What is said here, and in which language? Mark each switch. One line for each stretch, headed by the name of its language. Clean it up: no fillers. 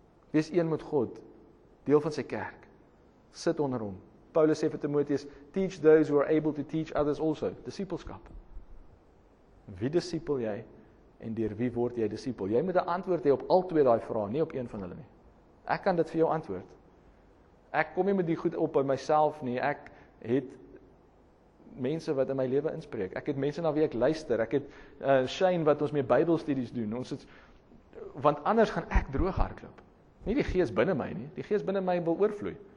Afrikaans: Wees een met God, deel van sy kerk. Sit onder hom. Paulus sê vir Timoteus,
English: teach those who are able to teach others also.
Afrikaans: Disipelskap. Wie disipel jy en deur wie word jy disipel? Jy moet 'n antwoord hê op al twee daai vrae, nie op een van hulle nie. Ek kan dit vir jou antwoord. Ek kom nie met die goed op
English: by myself
Afrikaans: nie, ek het mense wat in my lewe inspreek, ek het mense na wie ek luister, ek het Shane wat ons mee Bybelstudies doen, ons het, want anders gaan ek droog hardloop, nie die gees binne my nie, die gees binne my wil oorvloei,